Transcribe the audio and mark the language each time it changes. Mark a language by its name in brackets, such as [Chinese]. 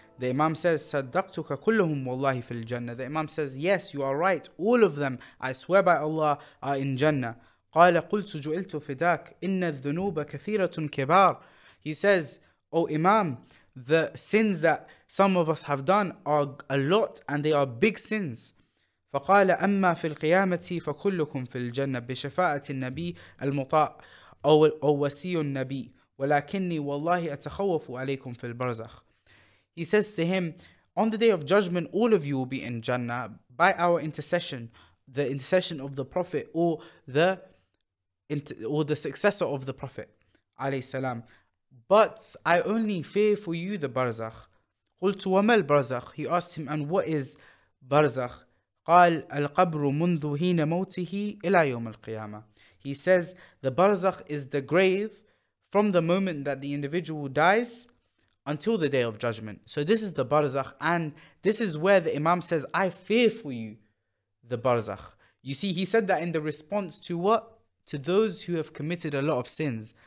[English] The Imam says, [Arabic] "Saddaqtuka kulluhum wallahi fil Jannah." [English] The Imam says, "Yes, you are right. All of them, I swear by Allah, are in Jannah." [Arabic] قَالَ قُلْتُ جُعِلْتُ فِدَاكَ إِنَّ الذُّنُوبَ كَثِيرَةٌ كِبَارٌ. [English] He says, "Oh Imam, the sins that some of us have done are a lot and they are big sins." [Arabic] فقال أما في القيامة فكلكم في الجنة بشفاعة النبي المطاع أو وسي النبي ولكني والله أتخوف عليكم في البرزخ. [English] He says to him, "On the day of judgment, all of you will be in Jannah by our intercession, the intercession of the Prophet or the successor of the Prophet, عليه السلام. But I only fear for you the barzakh." [Arabic] قلت وما البرزخ? [English] He asked him, "And what is barzakh?" [Arabic] قال القبر منذ حين موته إلى يوم القيامة. [English] He says the barzakh is the grave from the moment that the individual dies until the day of judgment. So this is the barzakh, and this is where the Imam says, "I fear for you the barzakh." You see, he said that in the response to what? To those who have committed a lot of sins.